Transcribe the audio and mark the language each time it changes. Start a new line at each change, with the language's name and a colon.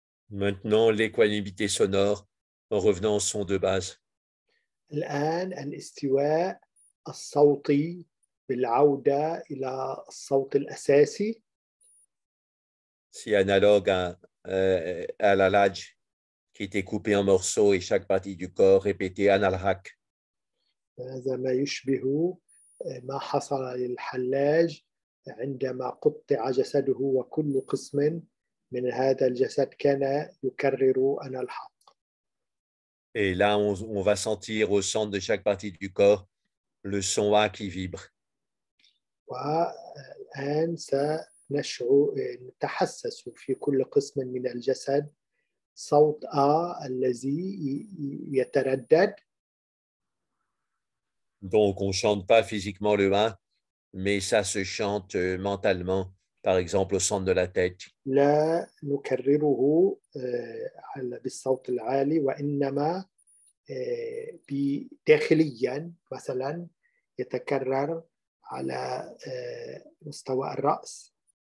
French: Maintenant, l'équanimité sonore en revenant au son de base.
Arabic: الآن الاستواء الصوتي بالعودة إلى الصوت الأساسي.
French: C'est analogue à l'alaj qui était coupé en morceaux et chaque partie du corps répétait analhak.
Arabic: هذا ما يشبه ما حصل للحلاج عندما قطع جسده وكل قسم من هذا الجسد كان يكرر أنا الحق.
French: Et là, on va sentir au centre de chaque partie du corps le son A qui vibre.
Arabic: والآن سنشعر نتحسس في كل قسم من الجسد صوت A الذي يتردد.
French: Donc, on ne chante pas physiquement le A, mais ça se chante mentalement. Par exemple, au centre de la tête.
Arabic: لا نكرره على بالصوت العالي وإنما بداخليا مثلا يتكرر على مستوى الرأس.